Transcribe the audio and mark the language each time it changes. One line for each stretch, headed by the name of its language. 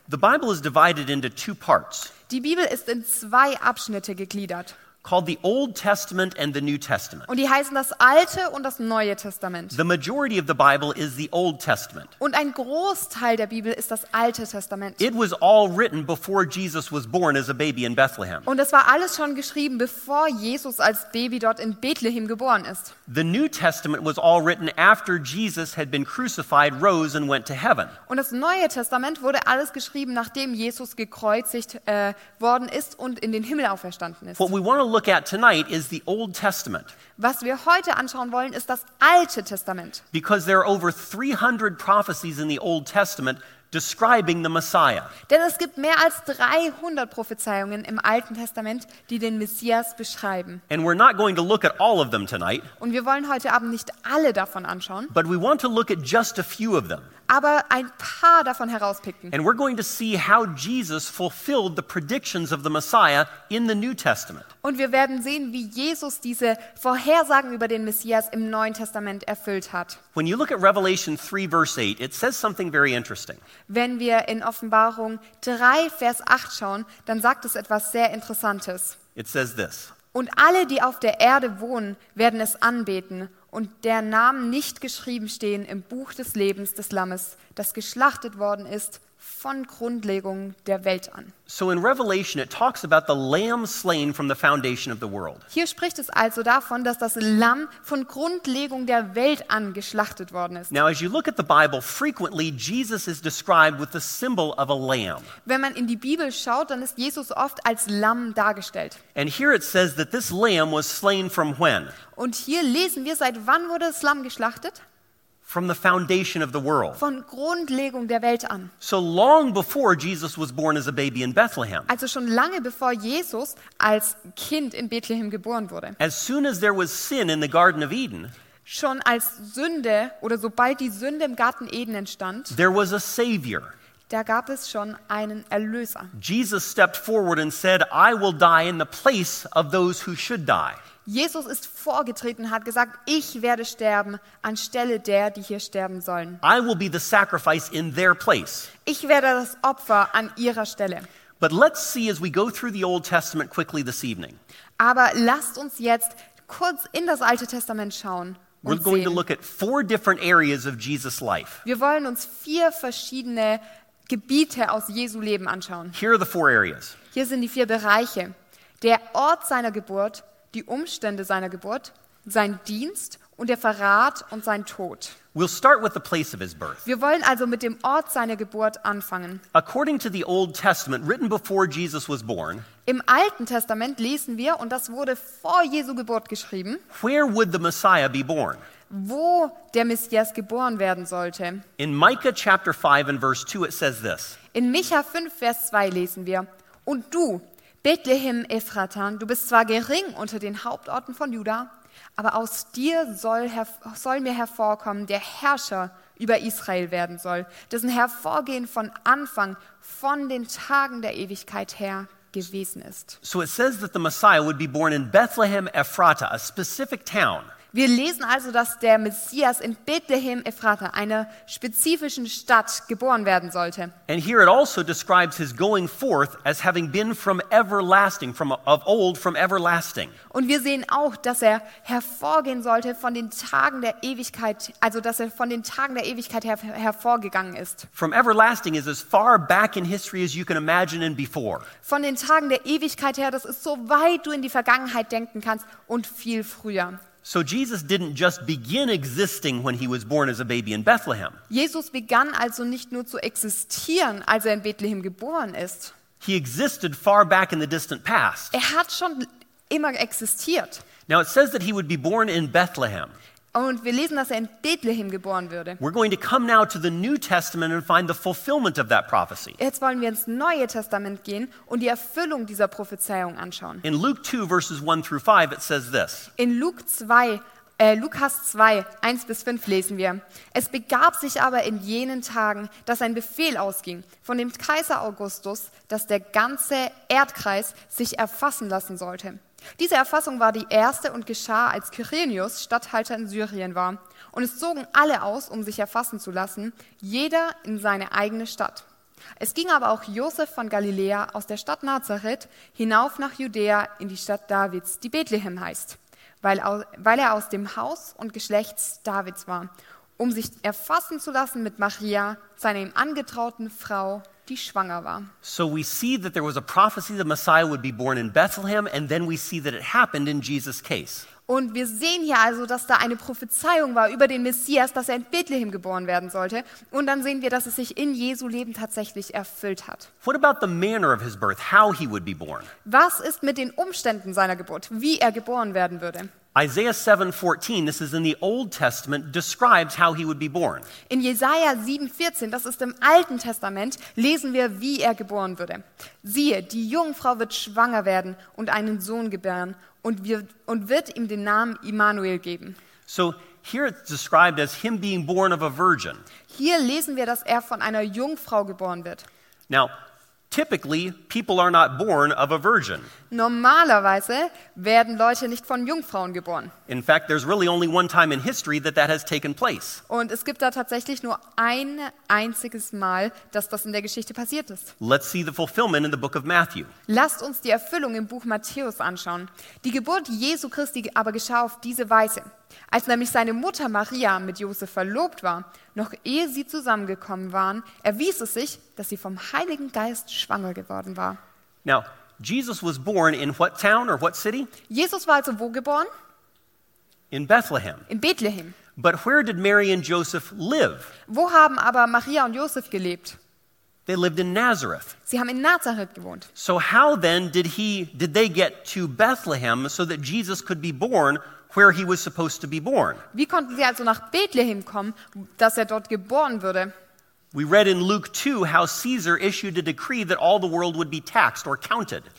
English: The Bible is divided into two parts.
German: Die Bibel ist in zwei Abschnitte gegliedert.
English: Called the Old Testament and the New Testament.
German: Und die heißen das Alte und das Neue Testament.
English: The majority of the Bible is the Old Testament.
German: Und ein Großteil der Bibel ist das Alte Testament.
English: It was all written before Jesus was born as a baby in Bethlehem.
German: Und es war alles schon geschrieben, bevor Jesus als Baby dort in Bethlehem geboren ist.
English: The New Testament was all written after Jesus had been crucified, rose and went to heaven.
German: Und das Neue Testament wurde alles geschrieben, nachdem Jesus gekreuzigt worden ist und in den Himmel auferstanden ist.
English: What we want to look at tonight is the Old Testament.
German: Was wir heute anschauen wollen, ist das Alte Testament.
English: Because there are over 300 prophecies in the Old Testament describing the Messiah.
German: Denn es gibt mehr als 300 Prophezeiungen im Alten Testament, die den Messias beschreiben.
English: And we're not going to look at all of them tonight.
German: Und wir wollen heute Abend nicht alle davon anschauen.
English: But we want to look at just a few of them.
German: Aber ein paar davon herauspicken.
English: And we're going to see how Jesus fulfilled the predictions of the Messiah in the New Testament.
German: Und wir werden sehen, wie Jesus diese Vorhersagen über den Messias im Neuen Testament erfüllt hat.
English: When you look at Revelation 3 verse 8, it says something very interesting.
German: Wenn wir in Offenbarung 3 Vers 8 schauen, dann sagt es etwas sehr Interessantes.
English: It says this.
German: Und alle, die auf der Erde wohnen, werden es anbeten und der Namen nicht geschrieben stehen im Buch des Lebens des Lammes, das geschlachtet worden ist von Grundlegung der Welt an.
English: So in Revelation it talks about the lamb slain from the foundation of the world.
German: Hier spricht es also davon, dass das Lamm von Grundlegung der Welt an geschlachtet worden ist.
English: Now as you look at the Bible, frequently Jesus is described with the symbol of a lamb.
German: Wenn man in die Bibel schaut, dann ist Jesus oft als Lamm dargestellt.
English: And here it says that this lamb was slain from when?
German: Und hier lesen wir, seit wann wurde das Lamm geschlachtet?
English: From the foundation of the world.
German: Von Grundlegung der Welt an.
English: So long before Jesus was born as a baby in Bethlehem.
German: Also schon lange bevor Jesus als Kind in Bethlehem geboren wurde.
English: As soon as there was sin in the Garden of Eden.
German: Schon als Sünde oder sobald die Sünde im Garten Eden entstand.
English: There was a savior.
German: Da gab es schon einen Erlöser.
English: Jesus stepped forward and said, "I will die in the place of those who should die."
German: Jesus ist vorgetreten und hat gesagt, ich werde sterben anstelle der, die hier sterben sollen.
English: I will be the sacrifice in their place.
German: Ich werde das Opfer an ihrer Stelle.
English: But let's see as we go through the Old Testament quickly this evening.
German: Aber lasst uns jetzt kurz in das Alte Testament schauen.
English: We're going to look at four different areas of Jesus' life.
German: Wir wollen uns vier verschiedene Gebiete aus Jesu Leben anschauen.
English: Here are the four areas.
German: Hier sind die vier Bereiche. Der Ort seiner Geburt, die Umstände seiner Geburt, sein Dienst und der Verrat und sein Tod.
English: We'll start with the place of his birth.
German: Wir wollen also mit dem Ort seiner Geburt anfangen.
English: According to the Old Testament, written before Jesus was born.
German: Im Alten Testament lesen wir, und das wurde vor Jesu Geburt geschrieben.
English: Where would the Messiah be born?
German: Wo der Messias geboren werden sollte.
English: In Micah chapter 5 and verse 2 it says this.
German: In Micha 5 Vers 2 lesen wir: Und du, Bethlehem Ephrathah, du bist zwar gering unter den Hauptorten von Juda, aber aus dir soll mir hervorkommen, der Herrscher über Israel werden soll, dessen Hervorgehen von Anfang, von den Tagen der Ewigkeit her gewesen ist.
English: So it says that the Messiah would be born in Bethlehem Ephrathah, a specific town.
German: Wir lesen also, dass der Messias in Bethlehem Ephrathah, einer spezifischen Stadt, geboren werden sollte.
English: And here it also describes his going forth as having been from everlasting, from of old, from everlasting.
German: Und wir sehen auch, dass er hervorgehen sollte von den Tagen der Ewigkeit, also dass er von den Tagen der Ewigkeit hervorgegangen ist.
English: From everlasting is as far back in history as you can imagine and before.
German: Von den Tagen der Ewigkeit her, das ist so weit du in die Vergangenheit denken kannst und viel früher.
English: So Jesus didn't just begin existing when he was born as a baby in Bethlehem.
German: Jesus begann also nicht nur zu existieren, als er in Bethlehem geboren ist.
English: He existed far back in the distant past.
German: Er hat schon immer existiert.
English: Now it says that he would be born in Bethlehem.
German: Und wir lesen, dass er in Bethlehem geboren würde.
English: We're going to come now to the New Testament and find the fulfillment of that prophecy.
German: Jetzt wollen wir ins Neue Testament gehen und die Erfüllung dieser Prophezeiung anschauen.
English: In Luke 2 verses 1 through 5 it says this.
German: In Lukas 2, 1 bis 5 lesen wir. Es begab sich aber in jenen Tagen, dass ein Befehl ausging von dem Kaiser Augustus, dass der ganze Erdkreis sich erfassen lassen sollte. Diese Erfassung war die erste und geschah, als Quirinius Statthalter in Syrien war. Und es zogen alle aus, um sich erfassen zu lassen, jeder in seine eigene Stadt. Es ging aber auch Josef von Galiläa aus der Stadt Nazareth hinauf nach Judäa in die Stadt Davids, die Bethlehem heißt, weil er aus dem Haus und Geschlecht Davids war, um sich erfassen zu lassen mit Maria, seiner ihm angetrauten Frau, die schwanger war.
English: So we see that there was a prophecy that Messiah would be born in Bethlehem, and then we see that it happened in Jesus' case.
German: Und wir sehen hier also, dass da eine Prophezeiung war über den Messias, dass er in Bethlehem geboren werden sollte. Und dann sehen wir, dass es sich in Jesu Leben tatsächlich erfüllt hat.
English: What about the manner of his birth? How he would be born?
German: Was ist mit den Umständen seiner Geburt? Wie er geboren werden würde?
English: Isaiah 7:14, this is in the Old Testament, describes how he would be born.
German: In Jesaja 7:14, das ist im Alten Testament, lesen wir, wie er geboren würde. Siehe, die Jungfrau wird schwanger werden und einen Sohn gebären und wird ihm den Namen Immanuel geben.
English: So here it's described as him being born of a virgin.
German: Hier lesen wir, dass er von einer Jungfrau geboren wird.
English: Now, typically, people are not born of a virgin.
German: Normalerweise werden Leute nicht von Jungfrauen geboren.
English: In fact, there's really only one time in history that that has taken place.
German: Und es gibt da tatsächlich nur ein einziges Mal, dass das in der Geschichte passiert ist.
English: Let's see the fulfillment in the book of Matthew.
German: Lasst uns die Erfüllung im Buch Matthäus anschauen. Die Geburt Jesu Christi aber geschah auf diese Weise. Als nämlich seine Mutter Maria mit Josef verlobt war, noch ehe sie zusammengekommen waren, erwies es sich, dass sie vom Heiligen Geist schwanger geworden war.
English: Now, Jesus was born in what town or what city?
German: Jesus war also wo geboren?
English: In Bethlehem.
German: In Bethlehem.
English: But where did Mary and Joseph live?
German: Wo haben aber Maria und Josef gelebt?
English: They lived in Nazareth.
German: Sie haben in Nazareth gewohnt.
English: So how then did they get to Bethlehem so that Jesus could be born where he was supposed to be born?
German: Wie konnten sie also nach Bethlehem kommen, dass er dort geboren würde?
English: We read in Luke 2 how Caesar issued a decree that all the world would be taxed or counted.